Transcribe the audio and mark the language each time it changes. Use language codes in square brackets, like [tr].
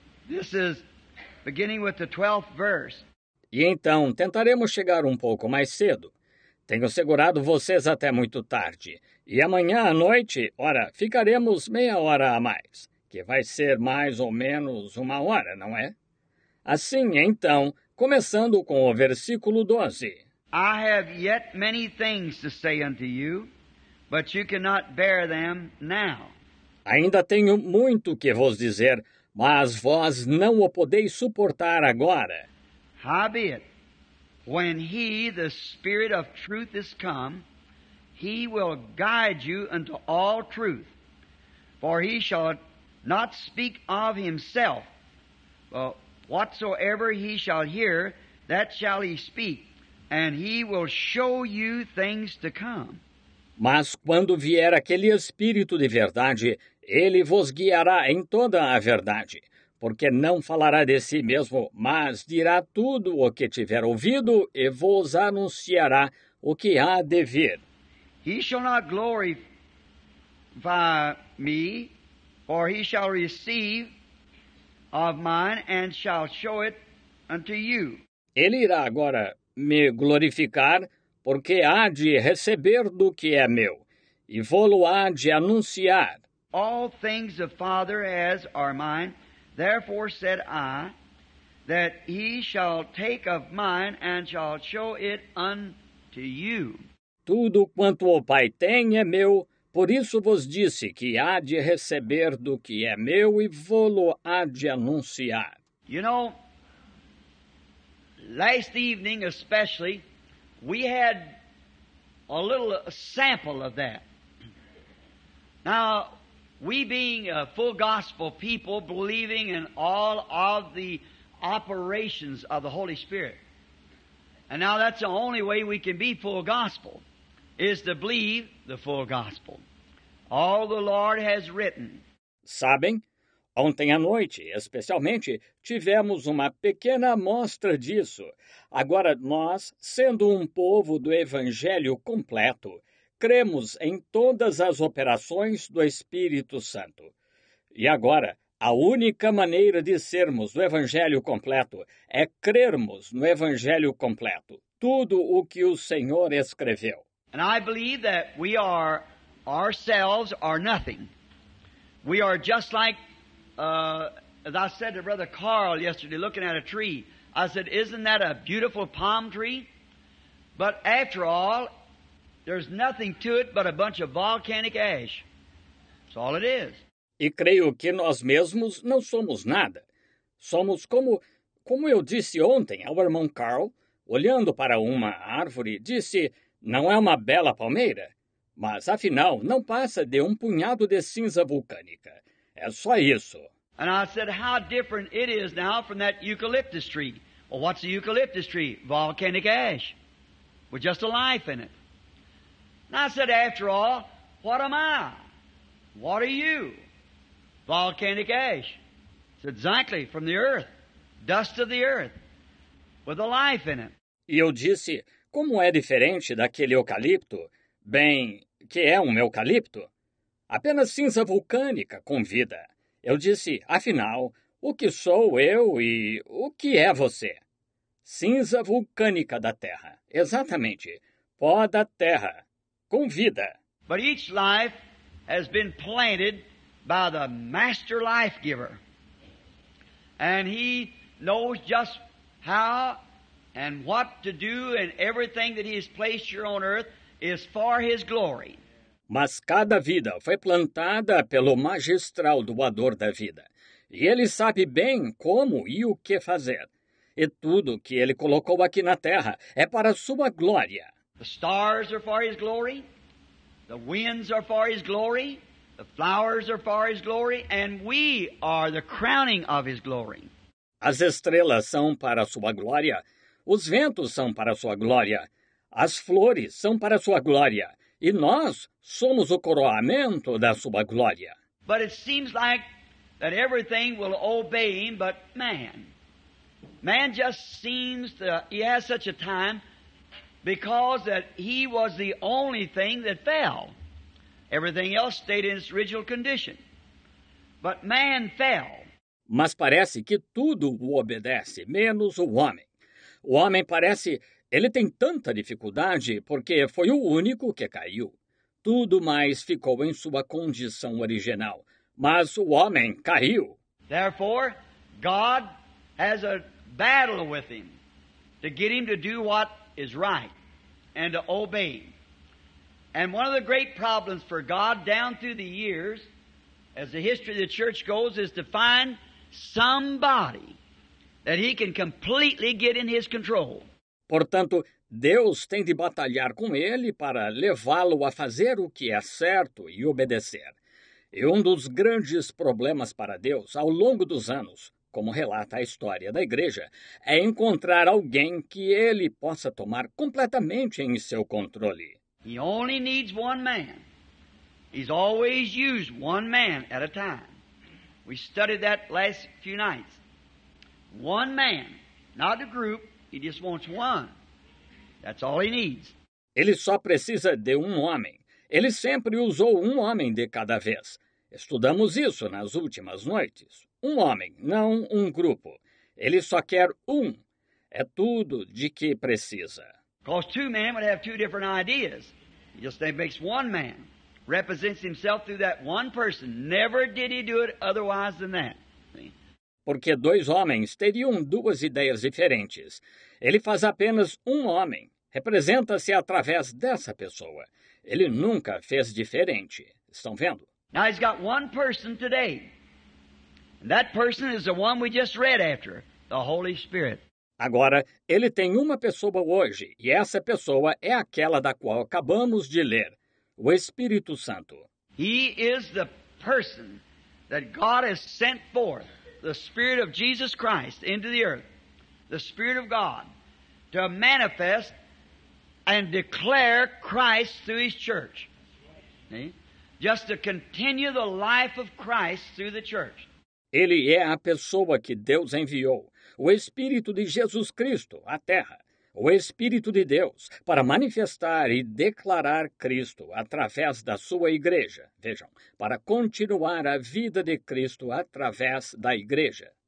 [en] This is beginning with the 12th verse. [pt] E então, tentaremos chegar um pouco mais cedo. Tenho segurado vocês até muito tarde. E amanhã à noite, ora, ficaremos meia hora a mais, que vai ser mais ou menos uma hora, não é? Assim, então, começando com o versículo 12. [en] I have yet many things to say unto you, but you cannot bear them now. [pt] Ainda tenho muito que vos dizer, mas vós não o podeis suportar agora. [en] Howbeit, when he, the Spirit of truth, is come, he will guide you unto all truth. For he shall not speak of himself, but whatsoever he shall hear, that shall he speak, and he will show you things to come. [pt] Mas quando vier aquele Espírito de verdade, ele vos guiará em toda a verdade, porque não falará de si mesmo, mas dirá tudo o que tiver ouvido e vos anunciará o que há de vir. [en] He shall not glorify me, for he shall receive of mine and shall show it unto you. [pt] Ele irá agora me glorificar, porque há de receber do que é meu, e vou-lo há de anunciar. [en] All things the Father has are mine, therefore said I, that he shall take of mine and shall show it unto you. [pt] Tudo quanto o Pai tem é meu, por isso vos disse que há de receber do que é meu e vou-lo há de anunciar. [en] You know, last evening especially, we had a little sample of that. Now, we being a full gospel people, believing in all of the operations of the Holy Spirit. And now that's the only way we can be full gospel, is to believe the full gospel. All the Lord has written. [pt] Sabem? Ontem à noite, especialmente, tivemos uma pequena amostra disso. Agora, nós, sendo um povo do Evangelho completo, cremos em todas as operações do Espírito Santo. E agora, a única maneira de sermos do Evangelho completo é crermos no Evangelho completo, tudo o que o Senhor escreveu. [en] And I believe that we are ourselves are nothing. We are just like as I said to Brother Carl yesterday, looking at a tree, I said, isn't that a beautiful palm tree? But after all, there's nothing to it but a bunch of volcanic ash. That's all it is. [pt] E creio que nós mesmos não somos nada. Somos como eu disse ontem ao irmão Carl, olhando para uma árvore, disse, não é uma bela palmeira? Mas, afinal, não passa de um punhado de cinza vulcânica. É só isso. [en] And I said, how different it is now from that eucalyptus tree. Well, what's a eucalyptus tree? Volcanic ash. With just a life in it. And I said, after all, what am I? What are you? Volcanic ash. It's exactly from the earth. Dust of the earth. With a life in it. [pt] E eu disse, como é diferente daquele eucalipto? Bem, que é um eucalipto? Apenas cinza vulcânica com vida. Eu disse, afinal, o que sou eu e o que é você? Cinza vulcânica da terra. Exatamente. Pó da terra. Com vida. [en] But each life has been planted by the master life giver. And he knows just how and what to do, and everything that he has placed here on earth is for his glory. [pt] Mas cada vida foi plantada pelo magistral doador da vida. E ele sabe bem como e o que fazer. E tudo que ele colocou aqui na terra é para sua glória. [en] The stars are for his glory. The winds are for his glory. The flowers are for his glory. And we are the crowning of his glory. [pt] As estrelas são para sua glória. Os ventos são para sua glória. As flores são para sua glória. e nós somos o coroamento da sua glória. [en] But it seems like that everything will obey him but man. Man just seems to, he has such a time because that he was the only thing that fell. Everything else stayed in its original condition. But man fell. [pt] Mas parece que tudo o obedece, menos o homem. O homem parece, ele tem tanta dificuldade porque foi o único que caiu. Tudo mais ficou em sua condição original, mas o homem caiu. [en] Therefore, God has a battle with him to get him to do what is right and to obey him. And one of the great problems for God down through the years, as the history of the church goes, is to find somebody that he can completely get in his control. [pt] Portanto, Deus tem de batalhar com ele para levá-lo a fazer o que é certo e obedecer. E um dos grandes problemas para Deus ao longo dos anos, como relata a história da igreja, é encontrar alguém que ele possa tomar completamente em seu controle. [en] He only needs one man. He's always used one man at a time. We studied that last few nights. One man, not a group. He just wants one. That's all he needs. [pt] Ele só precisa de um homem. Ele sempre usou um homem de cada vez. Estudamos isso nas últimas noites. Um homem, não um grupo. Ele só quer um. É tudo de que precisa. [en] Because two men would have two different ideas. He just makes one man. Represents himself through that one person. Never did he do it otherwise than that. [pt] Porque dois homens teriam duas ideias diferentes. Ele faz apenas um homem. Representa-se através dessa pessoa. Ele nunca fez diferente. Estão vendo? [en] Now he's got one person today. And that person is the one we just read after, the Holy Spirit. [pt] Agora, ele tem uma pessoa hoje, e essa pessoa é aquela da qual acabamos de ler, o Espírito Santo. [en] He is the person that God has sent forth, the Spirit of Jesus Christ, into the earth, the Spirit of God, to manifest and declare Christ through his church. Just to continue the life of Christ through the church. [pt] Ele é a pessoa que Deus enviou, o Espírito de Jesus Cristo, à Terra, o Espírito de Deus, para manifestar e declarar Cristo através da sua igreja. Vejam, para continuar a vida de Cristo através da igreja.